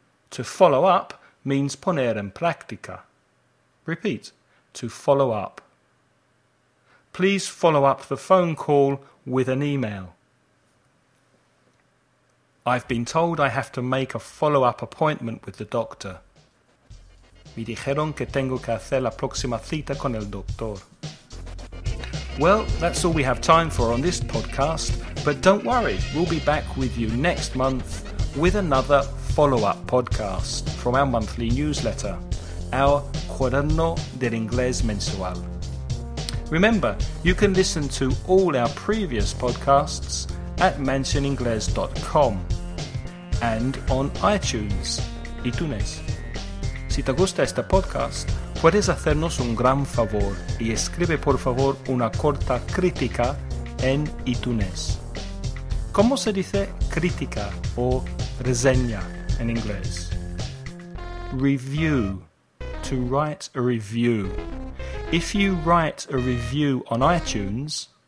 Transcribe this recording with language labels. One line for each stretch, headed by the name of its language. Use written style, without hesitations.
English: To follow up means
Spanish: poner en práctica.
English: Repeat, to follow up. Please follow up the phone call with an email. I've been told I have to make a follow-up appointment with the doctor.
Spanish: Me dijeron que tengo que hacer la próxima cita con el doctor.
English: Well, that's all we have time for on this podcast, but don't worry, we'll be back with you next month with another follow-up podcast from our monthly newsletter, our Cuaderno del Inglés Mensual. Remember, you can listen to all our previous podcasts at mansioningles.com and on iTunes, iTunes.
Spanish: Si te gusta este podcast, puedes hacernos un gran favor y escribe por favor una corta crítica en iTunes. ¿Cómo se dice crítica o reseña en inglés?
English: Review. To write a review. If you write a review on iTunes,